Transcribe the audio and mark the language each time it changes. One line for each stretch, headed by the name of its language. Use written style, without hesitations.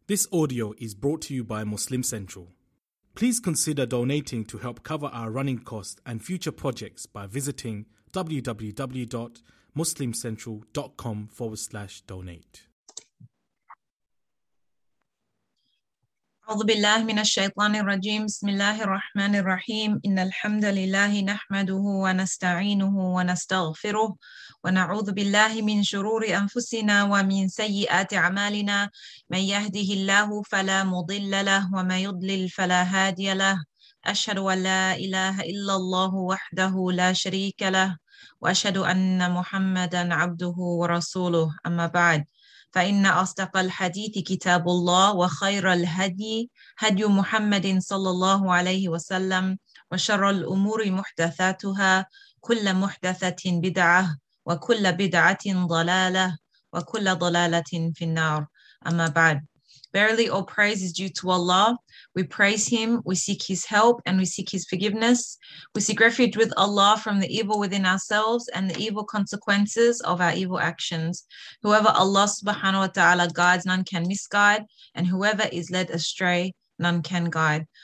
English: This audio is brought to you by Muslim Central. Please consider donating to help cover our running costs and future projects by visiting www.muslimcentral.com/donate.
Arabic: أعوذ بالله من الشيطان الرجيم بسم الله الرحمن الرحيم إن الحمد لله نحمده ونستعينه ونستغفره ونعوذ بالله من شرور أنفسنا ومن سيئات أعمالنا من يهده الله فلا مضل له ومن يضلل فلا هادي له أشهد أن لا إله إلا الله وحده لا شريك له وأشهد أن محمدا عبده ورسوله أما بعد فإن أصدق الحديث كتاب الله وخير الهدي هدي محمد صلى الله عليه وسلم وشر الأمور محدثاتها كل محدثة بدعة وكل بدعة ضلالة وكل ضلالة في النار أما بعد.
English: Verily all praise is due to Allah. We praise Him, we seek His help, and we seek His forgiveness. We seek refuge with Allah from the evil within ourselves and the evil consequences of our evil actions. Whoever Allah subhanahu wa ta'ala guides, none can misguide, and whoever is led astray, none can guide.